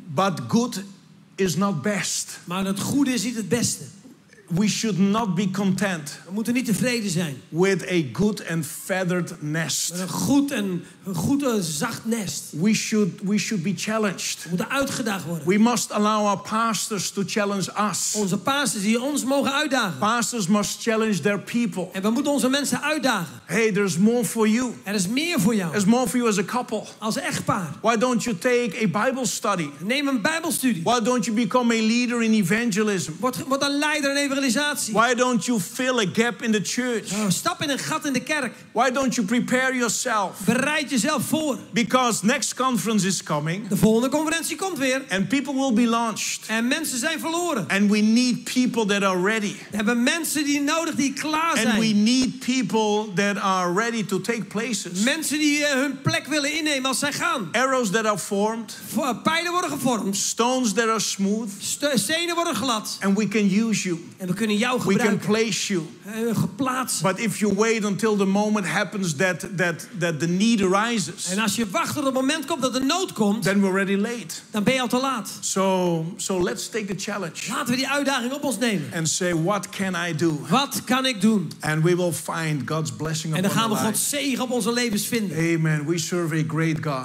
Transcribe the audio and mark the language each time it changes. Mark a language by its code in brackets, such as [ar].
[en] But good is not best. [nl] Maar het goede is niet het beste. [en] We should not be content. [nl] We moeten niet tevreden zijn. [en] With a good and feathered nest. [nl] Met een goed zacht nest. [en] We should be challenged. [nl] We moeten uitgedaagd worden. [en] We must allow our pastors to challenge us. [nl] Onze pastors die ons mogen uitdagen. [en] Pastors must challenge their people. [nl] En we moeten onze mensen uitdagen. [en] Hey, there's more for you. [nl] Er is meer voor jou. [en] There's more for you as a couple. [nl] Als echtpaar. [en] Why don't you take a Bible study? [nl] Neem een Bijbelstudie. [en] Why don't you become a leader in evangelism? [nl] Word een leider in evangelisme. [en] Why don't you fill a gap in the church? [nl] Stap in een gat in de kerk. [en] Why don't you prepare yourself? [nl] Bereid jezelf voor. [en] Because next conference is coming. [nl] De volgende conferentie komt weer. [en] And people will be launched. [nl] En mensen zijn verloren. [en] And we need people that are ready. [nl] We hebben mensen die nodig die klaar zijn. [en] And we need people that are ready to take places. [nl] Mensen die hun plek willen innemen als zij gaan. [en] Arrows that are formed. [nl] Pijlen worden gevormd. [en] Stones that are smooth. [nl] Stenen worden glad. [en] And we can use you. [nl] En we kunnen jou gebruiken. [en] We can place you. [nl] Geplaatsen. [en] But if you wait until the moment happens that the need arises. [nl] En als je wacht tot het moment komt dat de nood komt. [en] Then we're already late. [nl] Dan ben je al te laat. [en] So let's take the challenge. [nl] Laten we die uitdaging op ons nemen. [en] And say, what can I do? [nl] Wat kan ik doen? [en] And we will find God's blessing upon [nl] En dan gaan we Gods zegen op onze levens vinden. [en] Amen. We serve a great God.